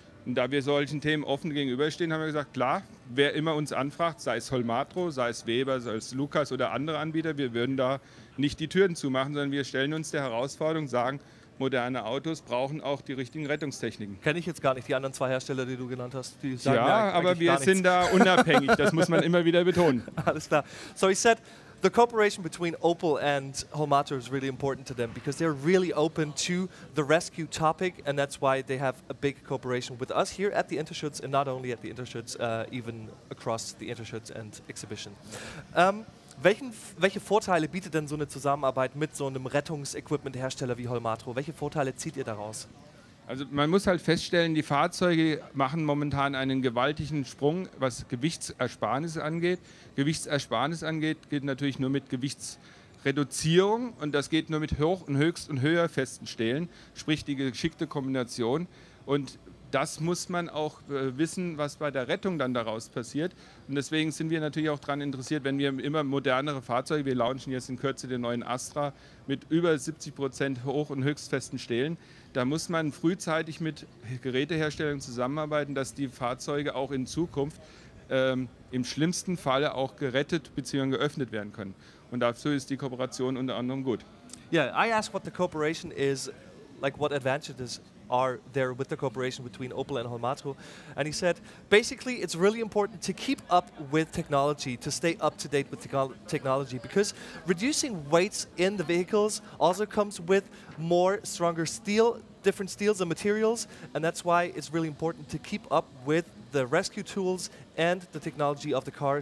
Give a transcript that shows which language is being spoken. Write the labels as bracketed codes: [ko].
[de] Und da wir solchen Themen offen gegenüberstehen, haben wir gesagt, klar, wer immer uns anfragt, sei es Holmatra, sei es Weber, sei es Lukas oder andere Anbieter, wir würden da nicht die Türen zumachen, sondern wir stellen uns der Herausforderung, sagen, moderne Autos brauchen auch die richtigen Rettungstechniken. Kenne ich jetzt gar nicht, die anderen zwei Hersteller, die du genannt hast. Die sagen ja, aber wir sind da unabhängig, das muss man immer wieder betonen. Alles klar. [en] So he said, the cooperation between Opel and Holmatra is really important to them because they're really open to the rescue topic and that's why they have a big cooperation with us here at the Interschutz and not only at the Interschutz, even across the Interschutz and Exhibition. [de] Welche Vorteile bietet denn so eine Zusammenarbeit mit so einem Rettungsequipment-Hersteller wie Holmatra? Welche Vorteile zieht ihr daraus? Also man muss halt feststellen, die Fahrzeuge machen momentan einen gewaltigen Sprung, was Gewichtsersparnis angeht. Gewichtsersparnis angeht, geht natürlich nur mit Gewichtsreduzierung und das geht nur mit hoch und höchst und höher festen Stählen, sprich die geschickte Kombination. Und das muss man auch wissen, was bei der Rettung dann daraus passiert. Und deswegen sind wir natürlich auch daran interessiert, wenn wir immer modernere Fahrzeuge, wir launchen jetzt in Kürze den neuen Astra mit über 70% hoch- und höchstfesten Stählen, da muss man frühzeitig mit Geräteherstellern zusammenarbeiten, dass die Fahrzeuge auch in Zukunft im schlimmsten Falle auch gerettet bzw. geöffnet werden können. Und dazu ist die Kooperation unter anderem gut. [en] Yeah, I ask what the cooperation is, like what advantages are there with the cooperation between Opel and Holmatra. And he said, basically, it's really important to keep up with technology, to stay up to date with technology, because reducing weights in the vehicles also comes with more stronger steel, different steels and materials, and that's why it's really important to keep up with the rescue tools and the technology of the car.